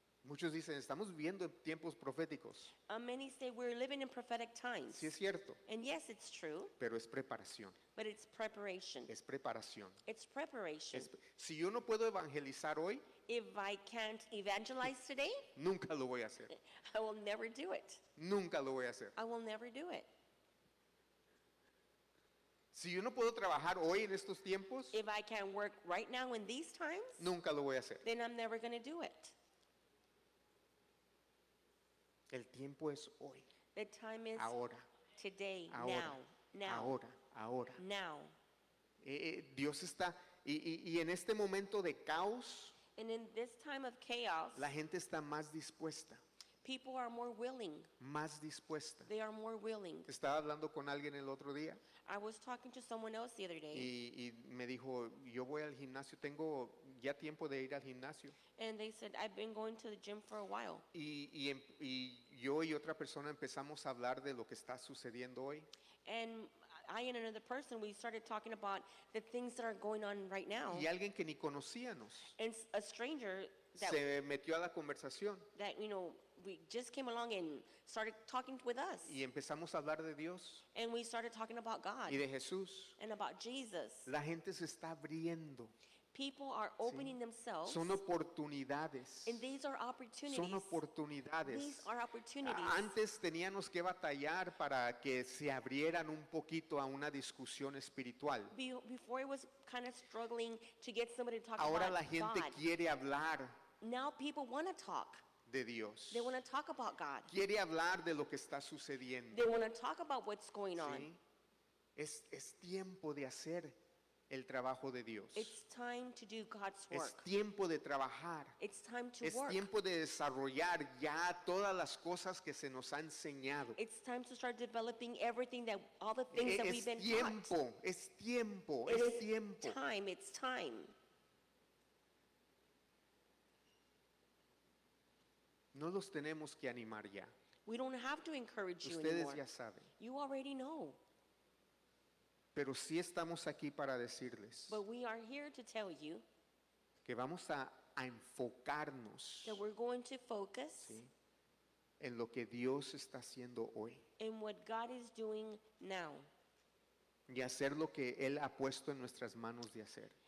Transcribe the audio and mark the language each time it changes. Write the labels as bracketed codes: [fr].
[es] Muchos dicen, estamos viviendo en tiempos proféticos. [en] Many say we're living in prophetic times. [es] Sí, es cierto. [en] And yes, it's true. [es] Pero es preparación. [en] But it's preparation. [es] Es preparación. [en] It's preparation. [es] Si yo no puedo evangelizar hoy, [en] if I can't evangelize today, [es] nunca lo voy a hacer. [en] I will never do it. [es] Nunca lo voy a hacer. [en] I will never do it. [es] Si yo no puedo trabajar hoy en estos tiempos, [en] if I can work right now in these times, [es] nunca lo voy a hacer. [en] Then I'm never going to do it. [es] El tiempo es hoy. [en] The time is [es] ahora. [en] Today. [es] Ahora. [en] Now. Now. [es] Ahora. Ahora. [en] Now. [es] Dios está y en este momento de caos, [en] and in this time of chaos, [es] la gente está más dispuesta. [en] People are more willing. [es] Más dispuesta. [en] They are more willing. [es] Estaba hablando con alguien el otro día. [en] I was talking to someone else the other day. [es] Y me dijo, yo voy al gimnasio. Tengo ya tiempo de ir al gimnasio. [en] And they said, I've been going to the gym for a while. [es] Y yo y otra persona empezamos a hablar de lo que está sucediendo hoy. [en] And I and another person, we started talking about the things that are going on right now. [es] Y alguien que ni conocíamos. [en] And a stranger that, [es] se metió a la conversación. [en] That, you know, we just came along and started talking with us. [es] Y empezamos a hablar de Dios. [en] And we started talking about God. [es] Y de Jesús. [en] And about Jesus. [es] La gente se está abriendo. [en] People are opening, sí, themselves. [es] Son oportunidades. [en] And these are opportunities. [es] Son oportunidades. [en] These are opportunities. [es] Antes teníamos que batallar para que se abrieran un poquito a una discusión espiritual. [en] Before it was kind of struggling to get somebody to talk. [es] Ahora [en] about [es] la gente [en] God. [es] Quiere hablar. [en] Now people want to talk. [es] De Dios. [en] They want to talk about God. [es] Quiere hablar de lo que está sucediendo. [en] They want to talk about what's going on. [es] Sí. Es tiempo de hacer el trabajo de Dios. [en] It's time to do God's work. [es] Es tiempo de trabajar. [en] It's time to [es] es [en] work. [es] Es tiempo de desarrollar ya todas las cosas que se nos ha enseñado. [en] It's time to start developing everything that all the things that we've been [es] tiempo, [en] taught. [es] Es tiempo. Es [en] it [es] tiempo. [en] It is time. It's time. [es] No los tenemos que animar ya. [en] We don't have to encourage you anymore. [es] Ustedes ya saben. [en] You already know. [es] Pero sí estamos aquí para decirles, [en] but we are here to tell you, [es] que vamos a enfocarnos, [en] that we're going to focus, [es] ¿sí?, en lo que Dios está haciendo hoy, [en] in what God is doing now, [es] y hacer lo que Él ha puesto en nuestras manos de hacer,